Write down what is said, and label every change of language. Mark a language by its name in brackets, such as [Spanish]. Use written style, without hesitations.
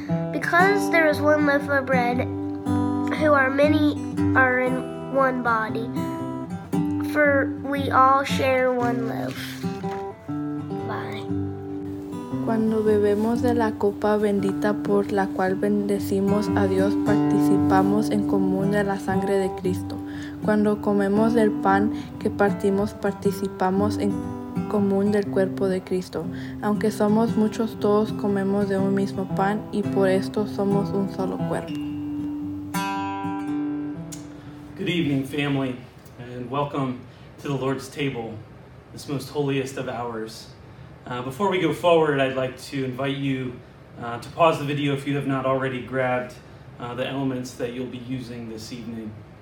[English] Because there is one loaf of bread, who are many are in one body, for we all share one loaf. [Spanish] Cuando bebemos de la copa bendita por la cual bendecimos a Dios, participamos en común de la sangre de Cristo. Cuando comemos del pan que partimos, participamos en común del cuerpo de Cristo. Aunque somos muchos, todos comemos de un mismo pan y por esto somos un solo cuerpo. [English] Good evening, family, and welcome to the Lord's table, this most holiest of hours. Before we go forward, I'd like to invite you to pause the video if you have not already grabbed the elements that you'll be using this evening.